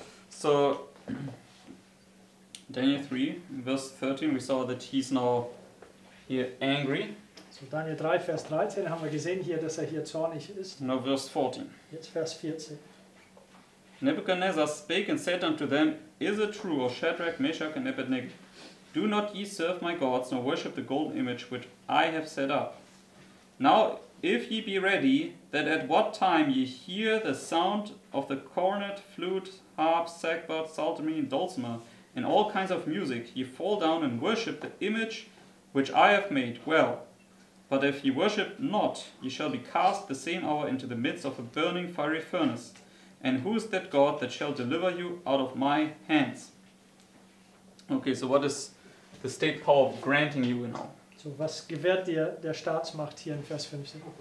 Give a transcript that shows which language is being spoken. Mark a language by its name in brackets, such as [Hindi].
[English] So, Daniel 3, verse 13, we saw that he's now here angry. [German] So, Daniel 3, Vers 13, haben wir gesehen hier, dass hier zornig ist. [English] Now, verse 14. [German] Jetzt Vers 14. [English] Nebuchadnezzar spake and said unto them, Is it true, O Shadrach, Meshach, and Abednego? Do not ye serve my gods, nor worship the golden image which I have set up. Now, if ye be ready, that at what time ye hear the sound of the cornet, flute, harp, sackbut, psaltery, and dulcimer, and all kinds of music, ye fall down and worship the image which I have made, well. But if ye worship not, ye shall be cast the same hour into the midst of a burning fiery furnace. And who is that God that shall deliver you out of my hands? Okay, so what is the state power granting you now? [German] So was gewährt dir der Staatsmacht hier in Vers 15?